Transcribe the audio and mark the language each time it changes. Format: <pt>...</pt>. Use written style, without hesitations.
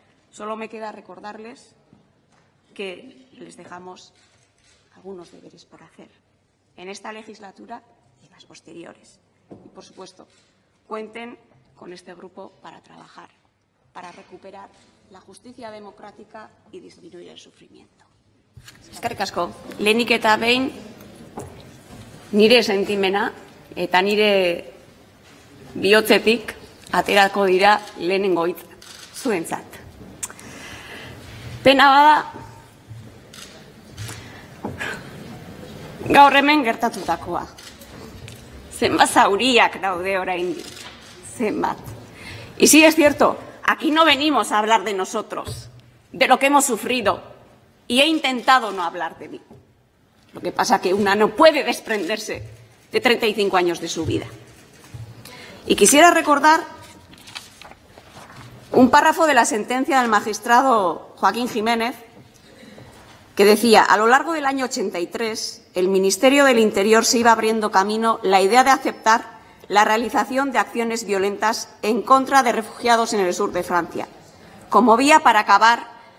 <es>Solo me queda recordarles que les dejamos algunos deberes por hacer en esta legislatura y las posteriores. Y, por supuesto, cuenten con este grupo para trabajar, para recuperar la justicia democrática y disminuir el sufrimiento.</es> <eu>Eskerrik asko. Lehenik eta behin, nire sentimena eta nire bihotzetik aterako dira lehenengo hitz zuentzat. Pena bada, gaur hemen gertatutakoa. Zenbat zauriak daude oraindik. Zenbat.</eu> <es>Y sí, es cierto, aquí no venimos a hablar de nosotros, de lo que hemos sufrido, y he intentado no hablar de mí. Lo que pasa es que una no puede desprenderse de 35 años de su vida. Y quisiera recordar un párrafo de la sentencia del magistrado Joaquín Jiménez, que decía: a lo largo del año 83, el Ministerio del Interior se iba abriendo camino la idea de aceptar la realización de acciones violentas en contra de refugiados en el sur de Francia, como vía para acabar</es>